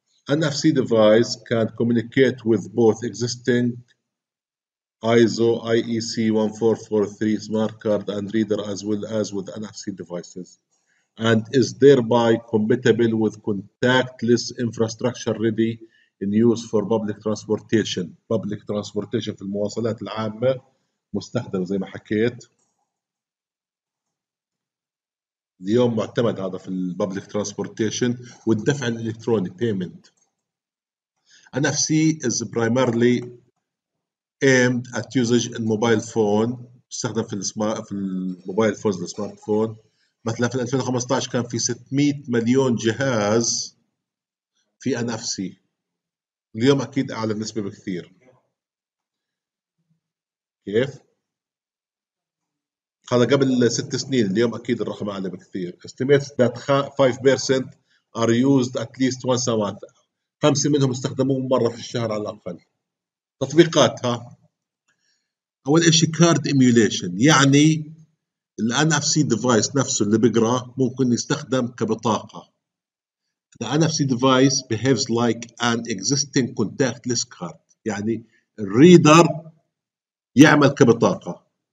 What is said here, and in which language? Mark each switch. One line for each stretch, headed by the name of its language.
English: NFC device can communicate with both existing ISO IEC 14443 smart card and reader as well as with NFC devices and is thereby compatible with contactless infrastructure ready in use for public transportation. Public transportation
Arabic: في المواصلات العامة مستخدم زي ما حكيت. اليوم معتمد هذا في
English: public transportation
Arabic: والدفع الإلكتروني
English: payment. NFC is primarily aimed at usage in mobile phone.
Arabic: استخدم في السمارت في الموبايل فون السمارت فون. مثلا في 2015 كان في 600 مليون جهاز في NFC. اليوم اكيد اعلى بنسبة بكثير. كيف؟ هذا قبل 6 سنين، اليوم اكيد الرقم اعلى بكثير.
English: Estimates that 5% are used at least once a month.
Arabic: 5 منهم استخدموه مرة في الشهر على الاقل. تطبيقات ها؟ اول شيء
English: card emulation,
Arabic: يعني ال NFC device نفسه اللي بقرا ممكن يستخدم كبطاقة.
English: The NFC device behaves like an existing contactless card،
Arabic: يعني الريدر يعمل كبطاقة.